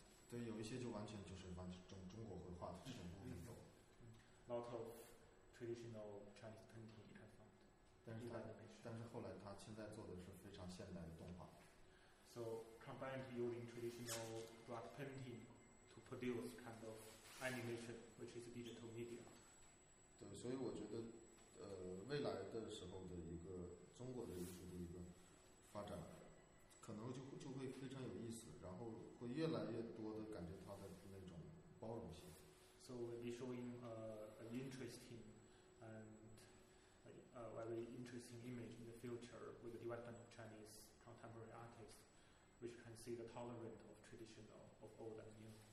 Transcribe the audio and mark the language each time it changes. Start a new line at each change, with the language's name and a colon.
Chinese: 对，有一些就完全就是中国绘画的这种部分有。
English: Lot of traditional Chinese painting you can find.
Chinese: 但是后来他现在做的是非常现代的动画。
English: So combined using traditional rock painting to produce kind of animation, which is digital media.
Chinese: 对，所以我觉得，未来的时候的一个中国的艺术的一个发展。可能就会非常有意思，然后会越来越多的感觉它的那种包容性。
English: So we'll be showing an interesting and a very interesting image in the future with the development of Chinese contemporary artists, which can see the tolerance of traditional of old and new.